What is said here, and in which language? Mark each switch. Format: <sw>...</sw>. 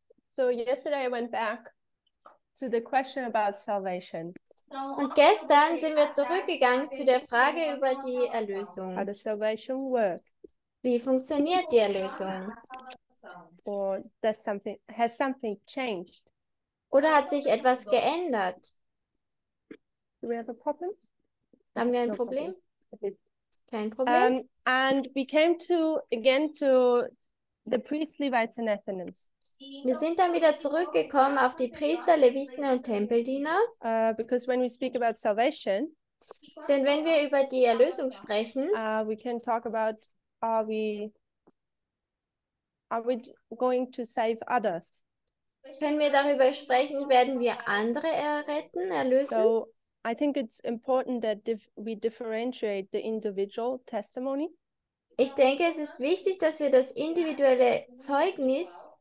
<en>So yesterday I went back to the question about salvation.</en> <de>Und gestern sind wir zurückgegangen zu der Frage über die Erlösung.</de> <en>How does salvation work?</en> <de>Wie funktioniert die Erlösung?</de> <en>Or does something, has something changed?</en> <de>Oder hat sich etwas geändert?</de> <en>Do we have a problem?</en> <de>Haben wir ein</de> <en>No</en> <de>Problem?</de> <en>problem.</en> <de>Kein Problem?</de> <en>And we came to again to the priests, Levites and Ethanims.</en> <de>Wir sind dann wieder zurückgekommen auf die Priester, Leviten und Tempeldiener.</de> <en>Because when we speak about salvation,</en> <de>Denn wenn wir über die Erlösung sprechen,</de> <en>we can talk about are we going to save others?</en> <de>Können wir darüber sprechen, werden wir andere erretten, erlösen?</de> <en>So, I think it's important that we differentiate the individual testimony.</en> <de>Ich denke, es ist wichtig, dass wir das individuelle Zeugnis</de>